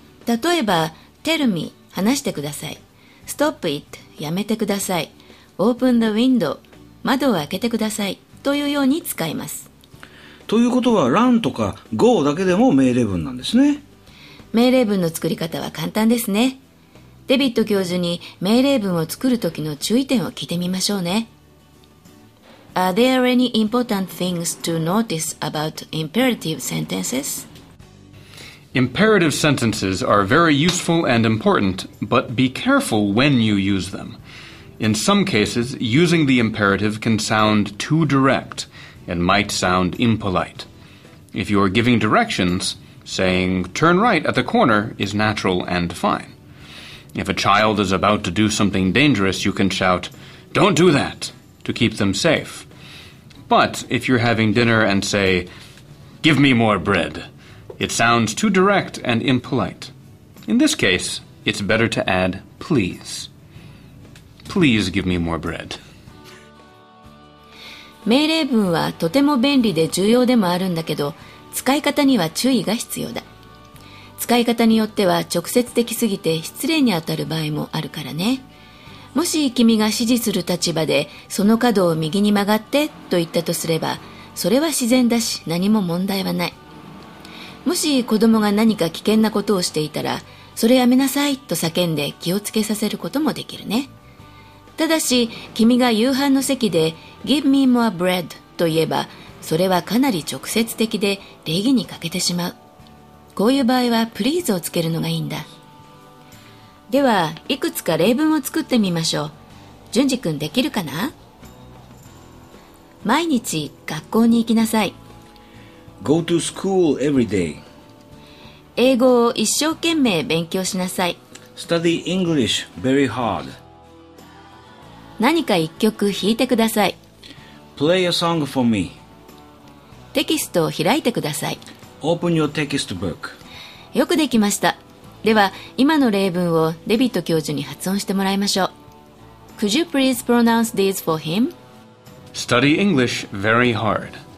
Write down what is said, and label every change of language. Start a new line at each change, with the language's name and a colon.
Japanese: 例えば
English: Tell me
Japanese: 話してください、
English: Stop it
Japanese: やめてください、
English: Open the window
Japanese: 窓を開けてくださいというように使います。ということは Run とか Go だけでも命令文なんですね。命令文の作り方は簡単ですね。デビッド教授に命令文を作る時の注意点を聞いてみましょうね。
English: Are there any important things to notice about imperative sentences? Imperative sentences are very useful and important, but be careful when you use them. In some cases, using the imperative can sound too direct and might sound impolite. If you are giving directions, saying turn right at the corner is natural and fine. If a child is about to do something dangerous, you can shout, "Don't do that!" to keep them safe. But if you're having dinner and say, "Give me more bread," it sounds too direct and impolite. In this case, it's better to add, "Please." Please give me more bread.
Japanese: 命令文はとても便利で重要でもあるんだけど、使い方には注意が必要だ。使い方によっては直接的すぎて失礼に当たる場合もあるからね。もし君が指示する立場でその角を右に曲がってと言ったとすれば、それは自然だし何も問題はない。もし子供が何か危険なことをしていたら、それやめなさいと叫んで気をつけさせることもできるね。ただし君が夕飯の席で
English: Give me more bread
Japanese: と言えば、それはかなり直接的で礼儀に欠けてしまう。こういう場合はプリーズをつけるのがいいんだ。ではいくつか例文を作ってみましょう。順次くんできるかな？毎日学校に行きなさい。
English: Go to school every day.
Japanese: 英語を一生懸命勉強しなさい。
English: Study English very hard.
Japanese: 何か一曲弾いてください。
English: Play a song for me.
Japanese: テキストを開いてください。
English: Open your textbook.
Japanese: よくできました。では、今の例文をデビット教授に発音してもらいましょう。
English: Could you please pronounce these for him? Study English very hard.